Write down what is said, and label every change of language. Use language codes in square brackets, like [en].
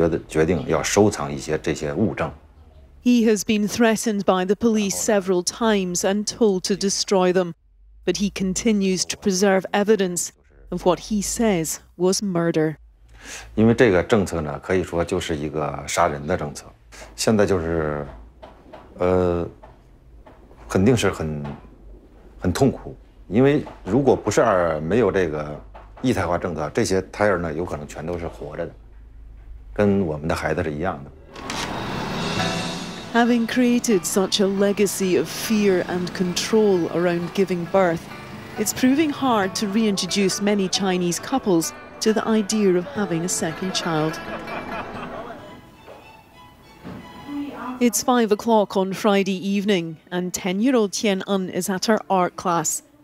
[zh] 因为当时的时候呢，我就觉得这个，这可以说是国家行为的杀人。我觉得中共犯了反人类罪，所以说我觉得决定要收藏一些这些物证。 [en] He has been threatened by the police several times and told to destroy them, but he continues to preserve evidence of what he says was murder. [zh] 因为这个政策呢，可以说就是一个杀人的政策。现在就是，肯定是很痛苦，因为如果不是没有这个一胎化政策，这些胎儿呢，有可能全都是活着的，跟我们的孩子是一样的。 [en] Having created such a legacy of fear and control around giving birth, it's proving hard to reintroduce many Chinese couples to the idea of having a second child. It's 5 o'clock on Friday evening, and 10-year-old Tian'en is at her art class.